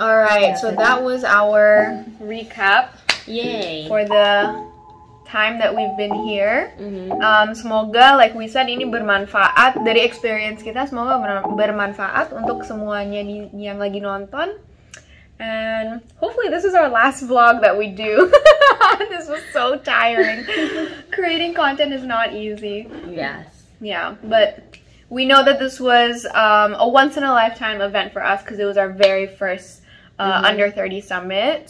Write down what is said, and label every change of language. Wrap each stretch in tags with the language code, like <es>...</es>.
<en>All right, yeah, so that was our recap. Yay. For the time that we've been here. Mm-hmm.</en> <id>Semoga</id> <en>like we said</en> <id>ini bermanfaat dari experience kita, semoga bermanfaat untuk semuanya yang lagi nonton.</id> <en>And hopefully this is our last vlog that we do. This was so tiring. Creating content is not easy. Yes. Yeah, but we know that this was a once in a lifetime event for us because it was our very first under 30 summit.</en>